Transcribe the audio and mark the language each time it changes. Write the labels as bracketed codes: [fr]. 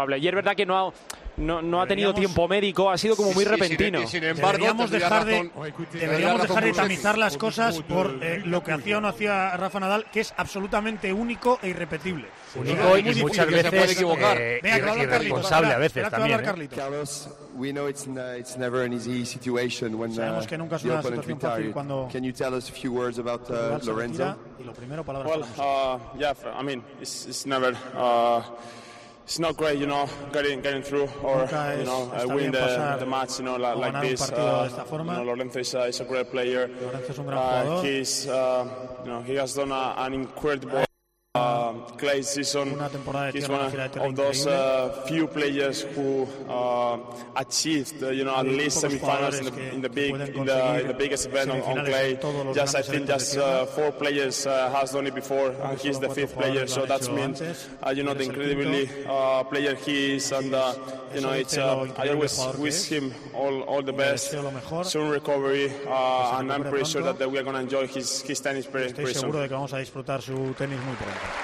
[es] Y es verdad que no ha tenido tiempo médico, ha sido como muy repentino. Deberíamos dejar de tamizar las cosas por lo que hacía o no hacía Rafa Nadal, que es absolutamente único e irrepetible. Único y muchas veces irresponsable a veces también. [en] Carlos, we know it's never an easy situation when [es] sabemos que nunca es una situación fácil cuando... [en] Can you tell us a few words about Lorenzo? [es] Y lo primero, palabras [en] well, I mean, it's never... It's not great, you know, getting through or you know, winning the match, you know, like this. You know, Lorenzo is a great player. He's you know, he has done an incredible clay season. He's one of those few players who achieved, you know, at least semifinals in the biggest event on clay. Just I think just four players has done it before, and he's the fifth player. So that means, you know, the incredibly player he is, and you know, it's I always wish him all the best, soon recovery, and I'm pretty sure that we are going to enjoy his tennis pretty soon. [es] Seguro de que vamos a disfrutar su tenis muy pronto.